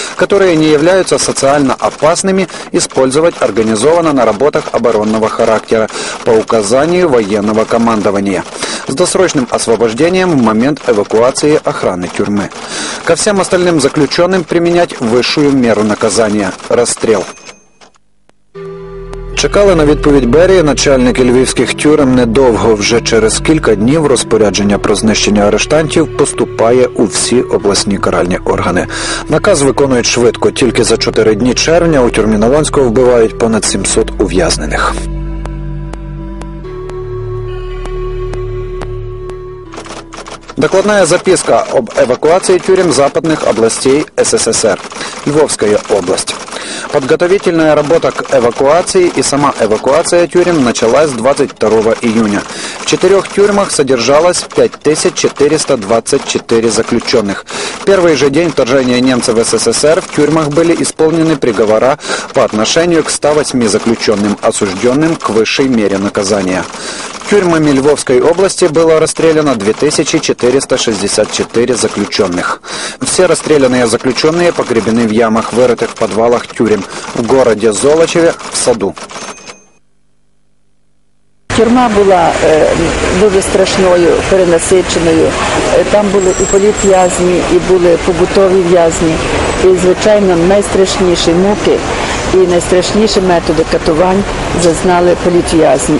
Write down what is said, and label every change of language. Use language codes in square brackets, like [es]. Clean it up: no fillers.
[ru] которые не являются социально опасными, использовать организованно на работах оборонного характера по указанию военного командования с досрочным освобождением в момент эвакуации охраны тюрьмы. Ко всем остальным заключенным применять высшую меру наказания – расстрел. [uk] Чекали на відповідь Берії начальники львівських тюрем недовго. Вже через кілька днів розпорядження про знищення арештантів поступає у всі обласні каральні органи. Наказ виконують швидко. Тільки за 4 дні червня у тюрмі Новонського вбивають понад 700 ув'язнених. [ru] Докладна записка об евакуації тюрем западних областей СССР. Львовская область. Подготовительная работа к эвакуации и сама эвакуация тюрем началась 22 июня. В четырех тюрьмах содержалось 5424 заключенных. Первый же день вторжения немцев в СССР в тюрьмах были исполнены приговора по отношению к 108 заключенным, осужденным к высшей мере наказания. Тюрьмами Львовской области было расстреляно 2464 заключенных. Все расстрелянные заключенные погребены в ямах, вырытых в подвалах тюрем в городе Золочеве в саду. [uk] Тюрма була дуже страшною, перенасиченою. Там були і політв'язні, і були побутові в'язні. І, звичайно, найстрашніші муки і найстрашніші методи катувань зазнали політв'язні.